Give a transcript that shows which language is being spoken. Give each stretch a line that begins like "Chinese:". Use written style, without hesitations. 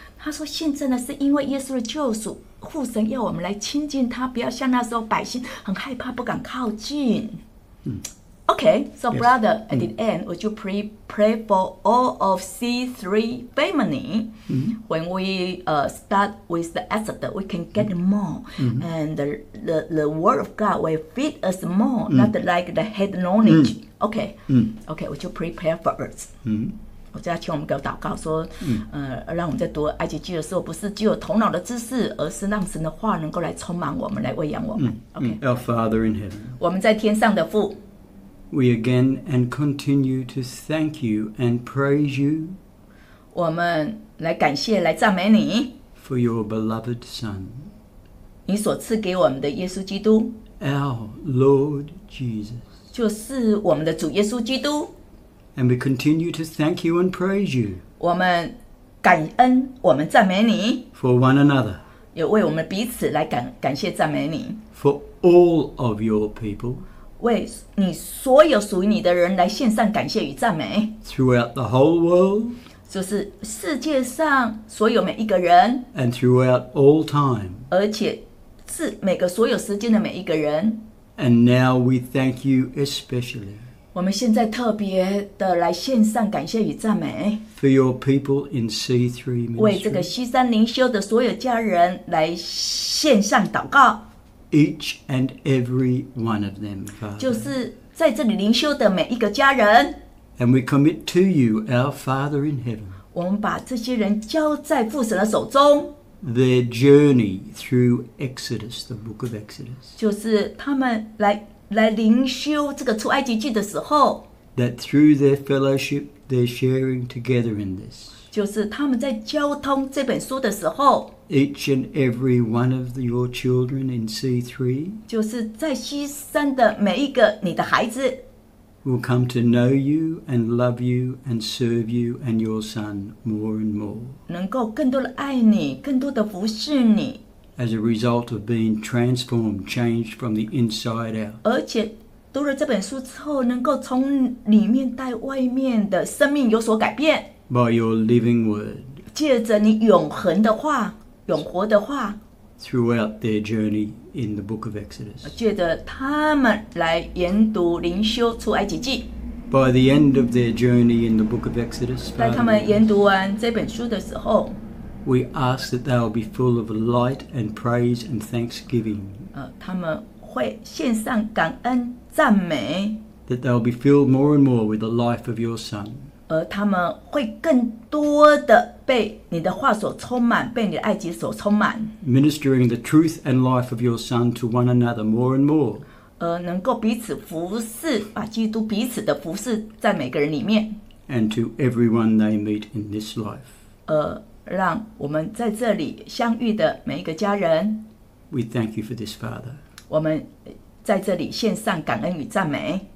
Chinese: 他说现在呢，是因为耶稣的救赎。父神要我们来亲近他，不要像那时候百姓很害怕不敢靠近。
English: Okay, so brother, at the end, would you pray for all of C3 family? When we start with the Exodus, we can get more. And the word of God will feed us more, not like the head knowledge. Okay, okay, would you prepare for us?
Chinese: 我就要请我们给我祷告说让我们在读埃及记的时候不是只有头脑的知识，而是让神的话能够来充满我们，来喂养我们。
English: Our Father in heaven,
Chinese: 我们在天上的父，
English: We again and continue to thank you and praise you,
Chinese: 我们来感谢来赞美你，
English: for your beloved Son,
Chinese: 你所赐给我们的耶稣基督，
English: our Lord Jesus,
Chinese: 就是我们的主耶稣基督。
English: And we continue to thank you and praise you.
Chinese: 我们感恩，我们赞美你。
English: For one another.
Chinese: 也为我们彼此来感谢赞美你。
English: For all of your people.
Chinese: 为你所有属于你的人来献上感谢与赞美。
English: Throughout the whole world.
Chinese: 就是世界上所有每一个人。
English: And throughout all time.
Chinese: 而且是每个所有时间的每一个人。
English: And now we thank you especially.
Chinese: 我们现在特别的来献上感谢与赞美。
English: For your people in C3 ministry,
Chinese: 为这个C3灵修的所有家人来献上祷告。
English: Each and every one of them, Father.
Chinese: 就是在这里灵修的每一个家人。
English: And we commit to you, our Father in heaven.
Chinese: 我们把这些人交在父神的手中。
English: Their journey through Exodus, the book of Exodus.
Chinese: 就是他们来灵修这个出埃及记的时候，
English: that through their fellowship, they're sharing together in this.
Chinese: 就是他们在交通这本书的时候，
English: each and every one of your children in C3,
Chinese: 就是在C3的每一个你的孩子，
English: will come to know you and love you and serve you and your son more and more.
Chinese: 能够更多的爱你，更多的服侍你。
English: As a result of being transformed, changed from the inside out.
Chinese: 而且读了这本书之后，能够从里面带外面的生命有所改变。
English: By your living word.
Chinese: 借着你永恒的话，永活的话。
English: Throughout their journey in the book of Exodus.
Chinese: 借着他们来研读灵修出埃及记。
English: By the end of their journey in the book of Exodus.
Chinese: 在他们研读完这本书的时候。
English: We ask that they will be full of light and praise and thanksgiving.
Chinese: 他们会献上感恩赞美。
English: That they will be filled more and more with the life of your Son.
Chinese: 而他们会更多的被你的话所充满，被你的爱子所充满。
English: Ministering the truth and life of your Son to one another more and more.
Chinese: 能够彼此服侍，把基督彼此的服侍在每个人里面。
English: And to everyone they meet in this life.
Chinese: 让我们在这里相遇的每一个家人。
English: We thank you for this, Father.
Chinese: 我们在这里献上感恩与赞美。